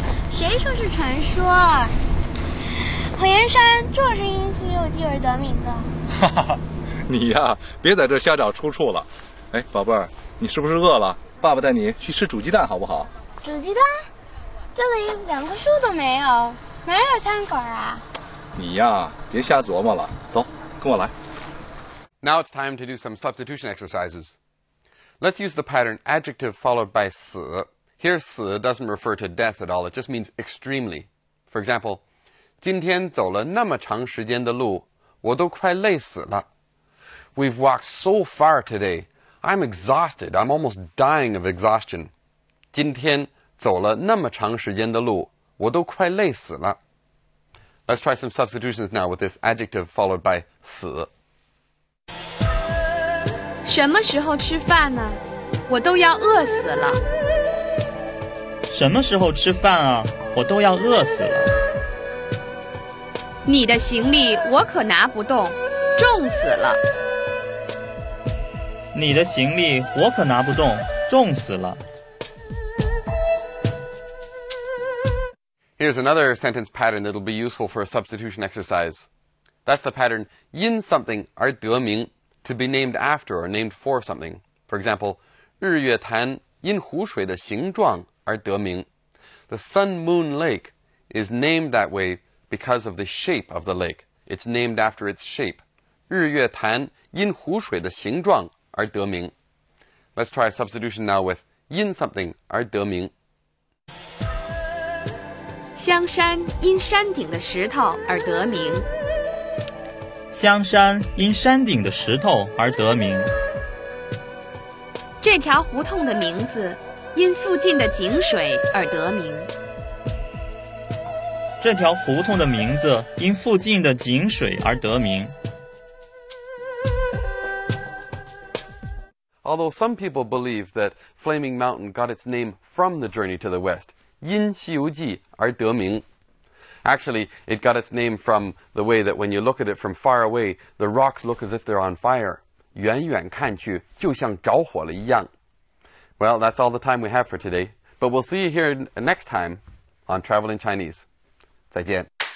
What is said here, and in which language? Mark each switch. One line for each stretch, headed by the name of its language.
Chinese: 谁说是传说？火焰山就是因西游记而得名的。哈哈，你呀，别在这瞎找出处了。哎，宝贝儿，你是不是饿了？爸爸带你去吃煮鸡蛋，好不好？煮鸡蛋？这里两棵树都没有，哪有餐馆啊？你呀，别瞎琢磨了，走，跟我来。
English: Now it's time to do some substitution exercises. Let's use the pattern adjective followed by
Chinese: 死.
English: Here,
Chinese: 死
English: doesn't refer to death at all, it just means extremely. For example,
Chinese: 今天走了那么长时间的路，我都快累死了。
English: We've walked so far today. I'm exhausted. I'm almost dying of exhaustion.
Chinese: 今天走了那么长时间的路，我都快累死了。
English: Let's try some substitutions now with this adjective followed by
Chinese: 死。什么时候吃饭呢？我都要饿死了。什么时候吃饭啊？我都要饿死了。你的行李我可拿不动，重死了。你的行李我可拿不动，重死了。
English: Here's another sentence pattern that'll be useful for a substitution exercise. That's the pattern
Chinese: 因
English: something
Chinese: 而得名
English: to be named after or named for something. For example,
Chinese: 日月潭因湖水的形状而得名
English: The Sun Moon Lake is named that way because of the shape of the lake. It's named after its shape.
Chinese: 日月潭因湖水的形状而得名。
English: Let's try a substitution now with
Chinese: 因
English: something
Chinese: 而得名。香山因山顶的石头而得名。香山因山顶的石头而得名。这条胡同的名字因附近的井水而得名。这条胡同的名字因附近的井水而得名。
English: Although some people believe that Flaming Mountain got its name from the Journey to the West,
Chinese: 因西游记而得名。
English: Actually, it got its name from the way that when you look at it from far away, the rocks look as if they're on fire.
Chinese: 远远看去就像着火了一样。
English: Well, that's all the time we have for today, but we'll see you here next time on Traveling Chinese.
Chinese: 再见。